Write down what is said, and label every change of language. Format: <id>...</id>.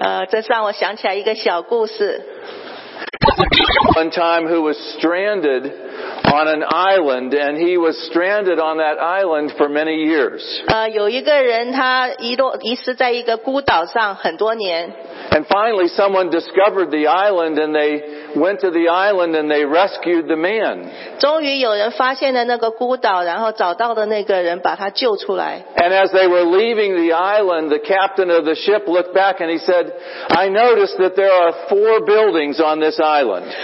<zh>这让我想起来一个小故事。</zh> <en>One time who was stranded on an island, and he was stranded on that island for many years.</en> <zh>有一个人他遗失在一个孤岛上很多年。</zh> <en>And finally someone discovered the island, and they went to the island and they rescued the man.</en> <zh>终于有人发现了那个孤岛，然后找到的那个人把他救出来。</zh> <en>And as they were leaving the island, the captain of the ship looked back and he said, I noticed that there are four buildings on this island.</en>